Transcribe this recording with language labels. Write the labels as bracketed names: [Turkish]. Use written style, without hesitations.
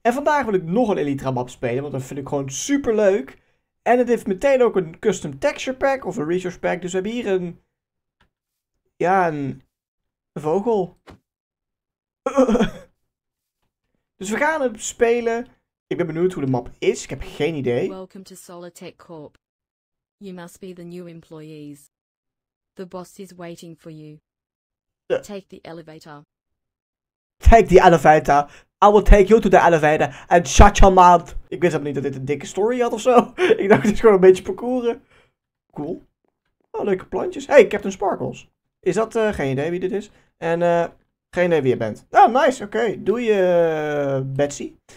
[Dutch] En vandaag wil ik nog een Elytra map spelen, want dat vind ik gewoon super leuk. En het heeft meteen ook een custom texture pack of een resource pack. Dus we hebben hier een... Ja, een... vogel. Dus we gaan het spelen. Ik ben benieuwd hoe de map is. Ik heb geen idee. [English] Welcome to Solitech Corp. You must be the new employees. The boss is waiting for you. Take the elevator. Take the elevator. I will take you to the elevator and shut your mouth. [Dutch] Ik wist helemaal niet dat dit een dikke story had of zo. Ik dacht, het is gewoon een beetje parcouren. Cool. Oh, leuke plantjes. Hey, Captain Sparkles. Is dat geen idee wie dit is? En geen idee wie je bent. Oh, nice. Oké. Doe je, Betsy.